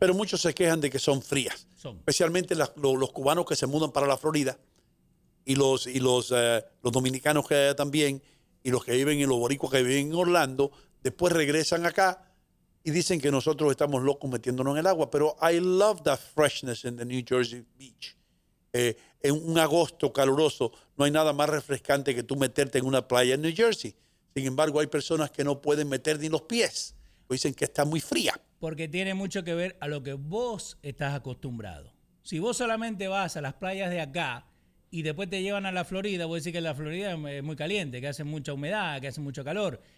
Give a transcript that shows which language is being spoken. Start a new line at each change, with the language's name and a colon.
Spanish: Pero muchos se quejan de que son frías. Son. Especialmente los cubanos que se mudan para la Florida. Y los dominicanos que hay también, y los que viven en los boricuas que viven en Orlando, después regresan acá y dicen que nosotros estamos locos metiéndonos en el agua. Pero
English: I love that freshness in the New Jersey beach.
Spanish: En un agosto caluroso no hay nada más refrescante que tú meterte en una playa en New Jersey. Sin embargo, hay personas que no pueden meter ni los pies. O dicen que está muy fría. Porque tiene mucho que ver a lo que vos estás acostumbrado. Si vos solamente vas a las playas de acá y después te llevan a la Florida, voy a decir que la Florida es muy caliente, que hace mucha humedad, que hace mucho calor.